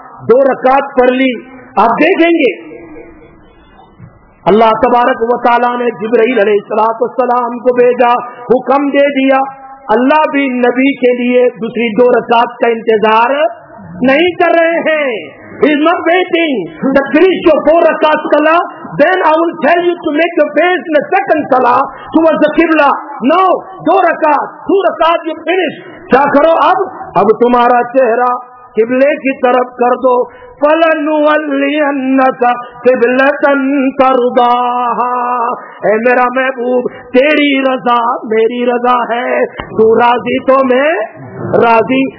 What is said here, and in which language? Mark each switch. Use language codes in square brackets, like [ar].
[ur] دو رکعت پڑھ لی, آپ دیکھیں گے اللہ تبارک و تعالیٰ نے جبرائیل علیہ الصلوۃ والسلام کو بھیجا, حکم دے دیا. اللہ بھی نبی کے لیے دوسری دو رکعت کا انتظار نہیں کر رہے ہیں. [en] He is not waiting to finish your four rakat salah, then I will tell you to make your face in the second salah towards the Qibla. No, [ur] دو رکعت, [en] two rakat you finish. [ur] کیا کرو اب؟ اب تمہارا چہرہ قبلے کی طرف کر دو. [ar] فَلَنُوَلِّيَنَّكَ قِبْلَةً تَرْضَاهَا. [ur] اے میرا محبوب, تیری رضا میری رضا ہے, تو راضی تو میں راضی.